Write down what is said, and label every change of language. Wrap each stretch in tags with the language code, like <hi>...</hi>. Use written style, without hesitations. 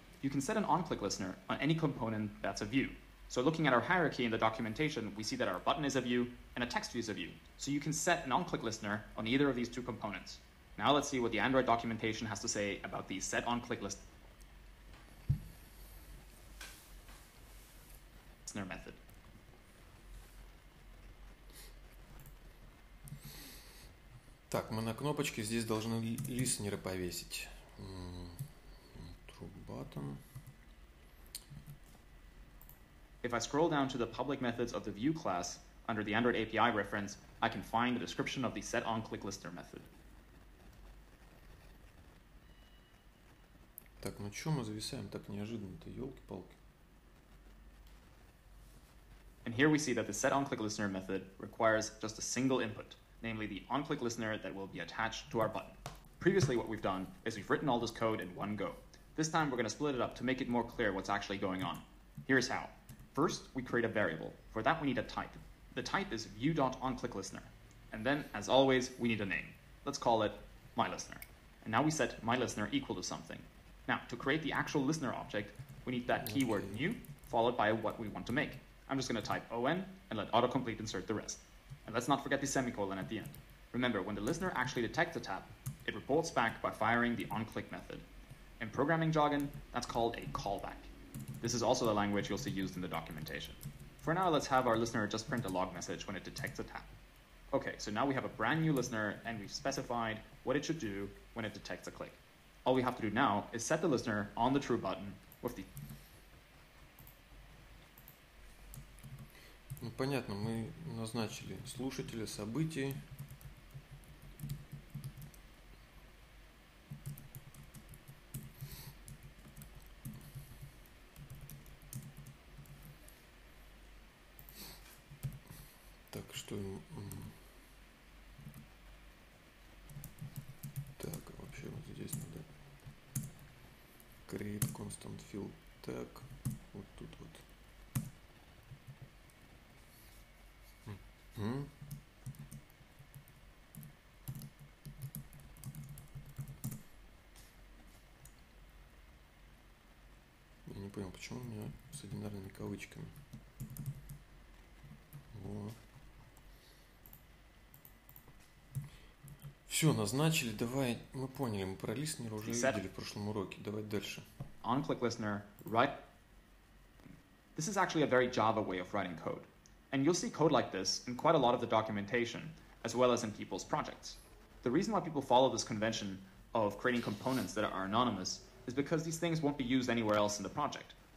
<en>You can set an on-click listener on any component that's a view. So looking at our hierarchy in the documentation, we see that our button is a view and a text view is a view. So you can set an on-click listener on either of these two components. Now let's see what the Android documentation has to say about the set on-click listener method.</en> <ru>Так, мы на кнопочке здесь должны листенера повесить.</ru> <en>True button. If I scroll down to the public methods of the view class under the Android API reference, I can find the description of the set on click listener method.</en> <ru>Так, ну чё мы зависаем так неожиданно-то, ёлки-палки.</ru> <en>And here we see that the set on click listener method requires just a single input, namely the on-click listener that will be attached to our button. Previously, what we've done is we've written all this code in one go. This time, we're going to split it up to make it more clear what's actually going on. Here's how. First, we create a variable. For that, we need a type. The type is view.onClickListener. And then, as always, we need a name. Let's call it myListener. And now we set myListener equal to something. Now, to create the actual listener object, we need that keyword new, followed by what we want to make. I'm just going to type on and let autocomplete insert the rest. And let's not forget the semicolon at the end. Remember, when the listener actually detects a tap, it reports back by firing the onClick method. In programming jargon, that's called a callback. This is also the language you'll see used in the documentation. For now, let's have our listener just print a log message when it detects a tap. Okay, so now we have a brand new listener, and we've specified what it should do when it detects a click. All we have to do now is set the listener on the true button with the...</en> <ru>Ну, понятно, мы назначили слушателя, событий. Так, что... Так, вообще вот здесь надо...</ru> <en>Create constant field tag.</en> <ru>Вот тут вот. Я не понял, почему у меня с одинарными кавычками. Во. Все, назначили. Давай, мы поняли, мы про listener уже видели в прошлом уроке. Давай дальше.</ru> <en>On click listener, right. This is actually a very Java way of writing code. And you'll see code like this in quite a lot of the documentation, as well as in people's projects. The reason why people follow this convention of creating components that are anonymous is because these things won't be used anywhere else in the project.</en>